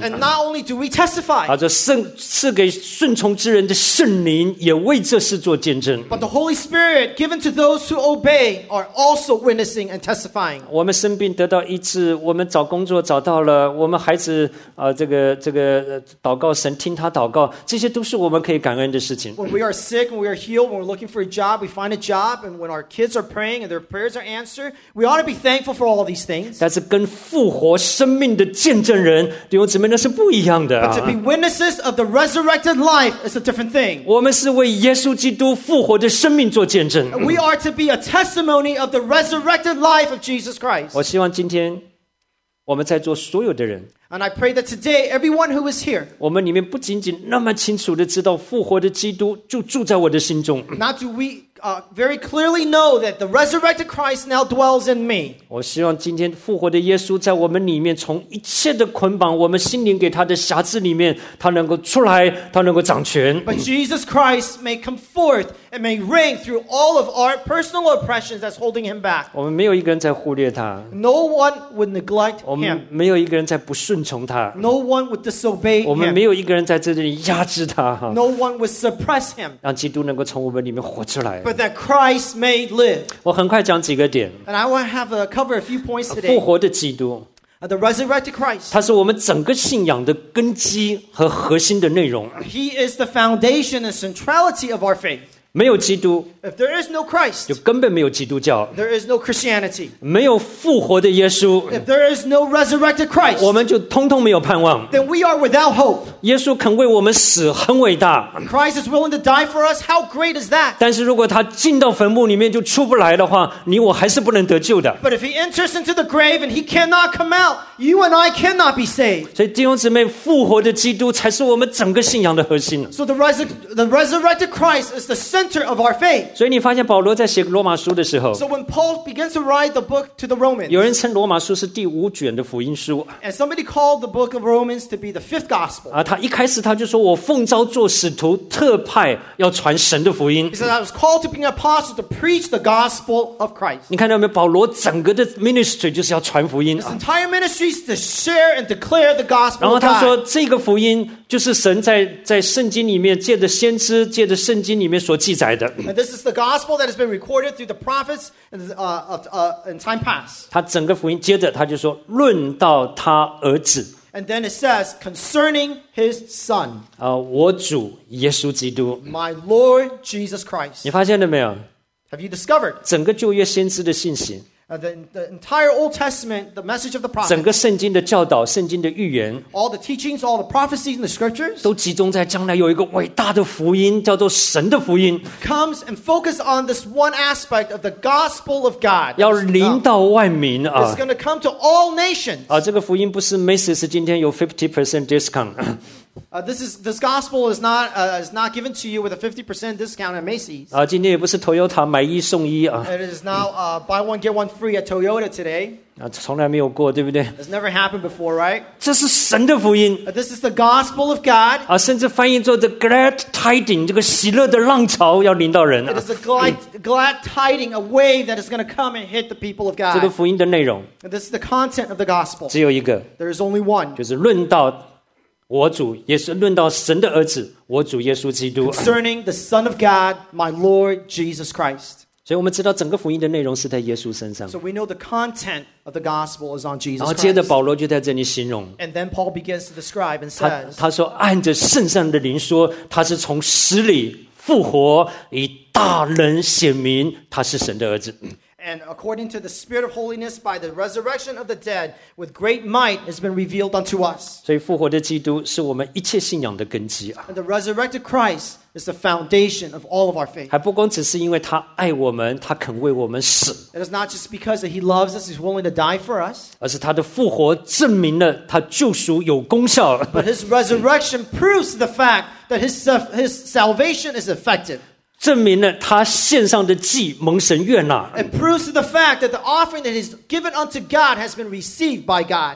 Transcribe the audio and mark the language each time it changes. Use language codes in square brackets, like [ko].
[en] And not only do we testify. [zh] 这赐给顺从之人的圣灵也为这事做见证。 [en] But the Holy Spirit given to those who obey are also witnessing and testifying. [zh] 我们生病得到医治，我们找工作找到了，我们孩子祷告神听他祷告，这些都是我们可以感恩的事情。 [en] When we are sick, when we are healed, when we're looking for a job, we find a job, and when our kids are praying and their prayers are answered, we ought to be thankful for all these things. [zh] 但是跟复活生命的见证人，弟兄姊妹那是不一样的。 [en] But to be witnesses of the resurrected life is a different thing. [zh] 我们是为耶稣基督复活的生命做见证。 [en] We are to be a testimony of the resurrected life of Jesus Christ. [zh] 我希望今天我们在座所有的人， [en] and I pray that today everyone who is here， [zh] 我们里面不仅仅那么清楚地知道复活的基督就住在我的心中， [en] not do we very clearly know that the resurrected Christ now dwells in me， [zh] 我希望今天复活的耶稣在我们里面从一切的捆绑我们心灵给他的辖制里面他能够出来他能够掌权， [en] but Jesus Christ may come forthAnd may ring through all of our personal oppressions that's holding him back. [zh] 我们没有一个人在忽略他。 [en] No one would neglect him. [zh] 我们没有一个人在不顺从他。 [en] No one would disobey him. [zh] 我们没有一个人在这里压制他。 [en] No one would suppress him. [zh] 让基督能够从我们里面活出来。 [en] But that Christ may live. [zh] 我很快讲几个点。 [en] And I want to have a cover a few points today. [zh] 复活的基督。 [en] The resurrected Christ. [zh] 他是我们整个信仰的根基和核心的内容。 [en] He is the foundation and centrality of our faith. [zh] 没有基督 [en] If there is no Christ, [zh] 就根本没有基督教 [en] there is no Christianity. [zh] 没有复活的耶稣 [en] If there is no resurrected Christ, [zh] 我们就通通没有盼望 [en] then we are without hope. [zh] 耶稣肯为我们死很伟大 [en] Christ is willing to die for us, how great is that? [zh] 但是如果他进到坟墓里面就出不来的话你我还是不能得救的 [en] But if he enters into the grave and he cannot come out, you and I cannot be saved. [zh] 所以弟兄姊妹复活的基督才是我们整个信仰的核心 [en] So the resurrected Christ is the center center of our faith. [zh] 所以你发现保罗在写罗马书的时候 [en] ，So when Paul begins to write the book to the Romans, [zh] 有人称罗马书是第五卷的福音书 [en] ，And somebody called the book of Romans to be the fifth gospel. [zh] 啊，他一开始他就说我奉召做使徒，特派要传神的福音。 [en] He said I was called to be an apostle to preach the gospel of Christ. [zh] 你看到没有？保罗整个的 ministry 就是要传福音。 [en] His entire ministry is to share and declare the gospel. [zh] 然后他说这个福音。就是神 在圣经里面借着先知借着圣经里面所记载的 [en] And this is the gospel that has been recorded through the prophets in time past [zh] 他整个福音接着他就说论到他儿子 [en] And then it says concerning his son [zh] 我主耶稣基督 [en] My Lord Jesus Christ [zh] 你发现了没有 [en] Have you discovered [zh] 整个旧约先知的信息 [en] The entire Old Testament, the message of the prophets, [zh] 整个圣经的教导，圣经的预言 [en] ，all the teachings, all the prophecies in the scriptures, [zh] 都集中在将来有一个伟大的福音，叫做神的福音 [en] ，comes and focus on this one aspect of the gospel of God. [zh] 要临到万民啊 [en] ！It's going to come to all nations. [zh] 啊，这个福音不是 message 今天有 [en] 50% discount. This gospel is not given to you with a 50% discount at Macy's. [zh] 今天也不是 Toyota 买一送一啊。 [en] It is now buy one get one free at Toyota today. [zh] 从来没有过，对不对 [en] ？It's never happened before, right? [zh] 这是神的福音。 [en] This is the gospel of God. [zh] 甚至翻译做 [en] the glad tidings, [zh] 这个喜乐的浪潮要临到人。 [en] It is a glad tidings, a wave that is going to come and hit the people of God. [zh] 这个福音的内容。 [en] This is the content of the gospel. [zh] 只有一个。 [en] There is only one. [zh] 就是论到。我主也是论到神的儿子，我主耶稣基督。 [en] Concerning the Son of God, my Lord Jesus Christ. [zh] 所以我们知道整个福音的内容是在耶稣身上。 [en] So we know the content of the gospel is on Jesus Christ. [zh] 然后接着保罗就在这里形容。 [en] And then Paul begins to describe and says, [zh] 他说按着圣上的灵说，他是从死里复活，以大能显明他是神的儿子。 [en] And according to the Spirit of Holiness, by the resurrection of the dead, with great might has been revealed unto us. [zh] 所以复活的基督是我们一切信仰的根基啊。 [en] And the resurrected Christ is the foundation of all of our faith. [zh] 还不光只是因为他爱我们，他肯为我们死。 [en] It is not just because that he loves us, he's willing to die for us. [zh] 而是他的复活证明了他救赎有功效。 [en] But his resurrection proves the fact that his salvation is effective. [zh] 证明了他献上的祭蒙神悦纳。 [en] It proves the fact that the offering that is given unto God has been received by God.